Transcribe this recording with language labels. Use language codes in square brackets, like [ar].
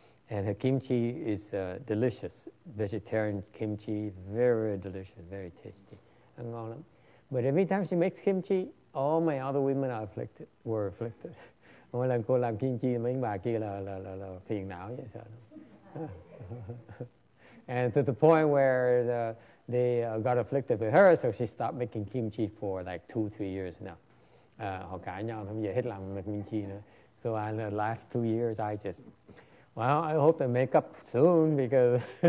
[en] And her kimchi is delicious. Vegetarian kimchi, very delicious, very tasty. But every time she makes kimchi, all my other women are afflicted, were afflicted. [vi] Mỗi lần cô làm kimchi, mấy bà kia là phiền não vậy sao. [en] And to the point where they got afflicted with her, so she stopped making kimchi for like 2-3 years now. [vi] Họ cãi nhau, không giờ hết làm kimchi nữa. [en] So in the last 2 years, I just, well, I hope they make up soon because...